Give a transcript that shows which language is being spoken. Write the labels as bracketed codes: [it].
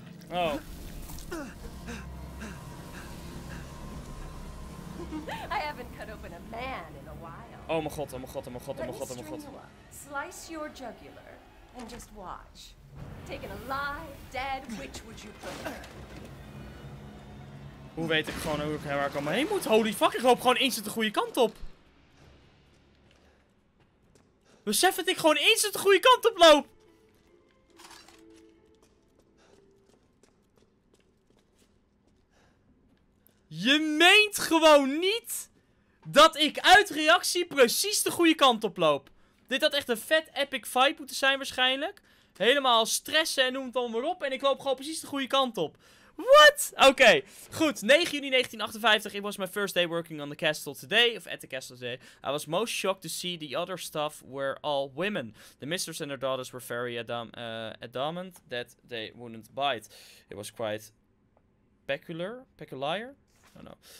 [en] Oh. I haven't cut open a man in a while. [nl] Oh mijn god, oh mijn god, oh mijn god, oh mijn god, oh mijn god. [en] Slice your jugular and just watch. Take an alive, dead, which would you prefer? [nl] Hoe weet ik gewoon hoe ik waar ik allemaal heen moet? Holy fuck, ik loop gewoon instant de goede kant op. Besef dat ik gewoon instant de goede kant op loop. Je meent gewoon niet dat ik uit reactie precies de goede kant op loop. Dit had echt een vet epic vibe moeten zijn waarschijnlijk. Helemaal stressen en noem het allemaal maar op. En ik loop gewoon precies de goede kant op. What? Oké. Goed, 9 juni 1958. [en] It was my first day working on the castle today. Of at the castle today. I was most shocked to see the other staff were all women. The mistress and their daughters were very adamant that they wouldn't bite. It was quite peculiar. I don't know.